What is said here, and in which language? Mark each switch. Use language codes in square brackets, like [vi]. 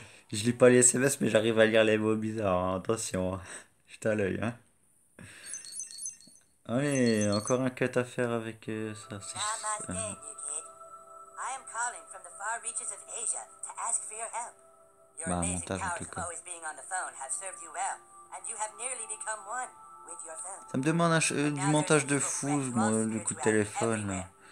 [fr] Je lis pas les SMS, mais j'arrive à lire les mots bizarres. Hein. Attention. Je t'ai à l'œil. Hein. Allez, encore un cut à faire avec ça. [en] Namaste, new kid. I am calling from the far reaches of Asia to ask for your help. Your amazing powers of always being on the phone have served you well, and you have nearly become one with your phone. [fr] Ça me demande du montage de fou, le coup de téléphone.